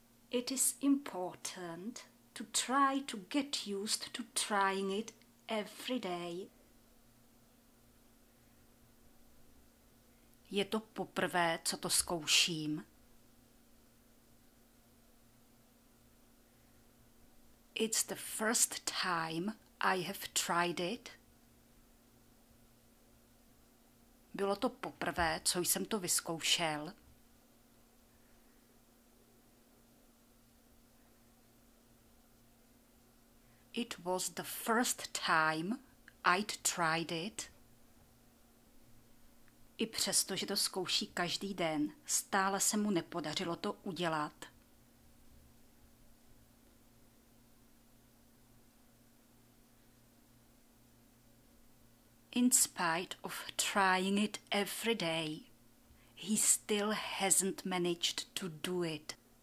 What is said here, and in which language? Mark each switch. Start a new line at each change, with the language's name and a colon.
English: It is important to try to get used to trying it every day.
Czech: Je to poprvé, co to zkouším.
English: It's the first time I have tried it.
Czech: Bylo to poprvé, co jsem to vyzkoušel.
English: It was the first time I'd tried it.
Czech: I přesto, že to zkouší každý den, stále se mu nepodařilo to udělat.
English: In spite of trying it every day, he still hasn't managed to do it.